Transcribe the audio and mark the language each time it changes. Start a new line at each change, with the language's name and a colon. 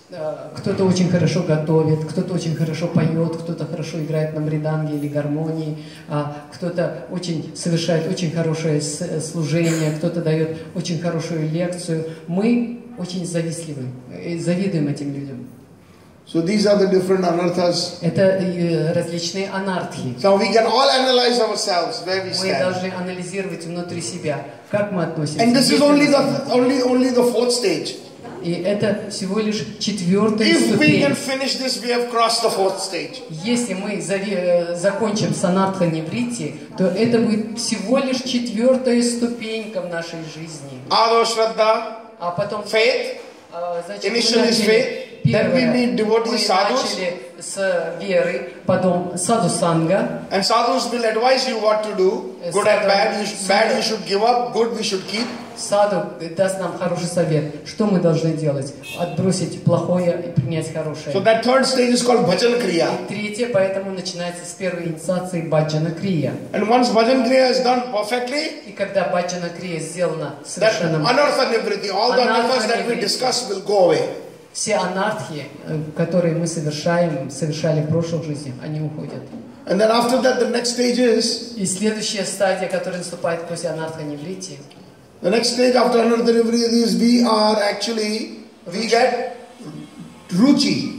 Russian: кто-то очень хорошо готовит, кто-то очень хорошо поет, кто-то хорошо играет на мриданге или гармонии, кто-то очень совершает очень хорошее служение, кто-то дает очень хорошую лекцию. Мы очень завистливы, завидуем этим людям.
English: So these are the different anarthas.
Russian: Это различные анархи.
English: So we can all analyze ourselves where we stand.
Russian: Мы должны анализировать внутри себя, как мы относимся.
English: And this is only the fourth stage.
Russian: И это всего лишь четвертая ступень.
English: If we can finish this, we have crossed the fourth stage.
Russian: Если мы закончим с анартха неврити, то это будет всего лишь четвертая ступенька в нашей жизни.
Sanskrit: Адо шрадда.
Russian: А потом.
English: Faith. Initially is faith. Then we meet devotee sadhus. Мы начали с веры, потом садусанга. And sadhus will advise you what to do. Good and bad. Bad you should give up. Good we should keep.
Russian: Саду даст нам хороший совет. Что мы должны делать? Отбросить плохое и принять хорошее.
English: So that third stage is called bhajan kriya.
Russian: И третье, поэтому начинается с первой инициации bhajana kriya.
English: And once bhajan kriya is done perfectly,
Russian: и когда bhajana kriya сделана совершенно,
English: that anartha nivritti, all the anarthas that we discussed will go away.
Russian: Все анартхи, которые мы совершали в прошлой жизни, они уходят.
English: And then after that, the next stage is,
Russian: и следующая стадия, которая наступает после анартха нивритти,
English: the next stage after anartha nivritti is we get ruchi.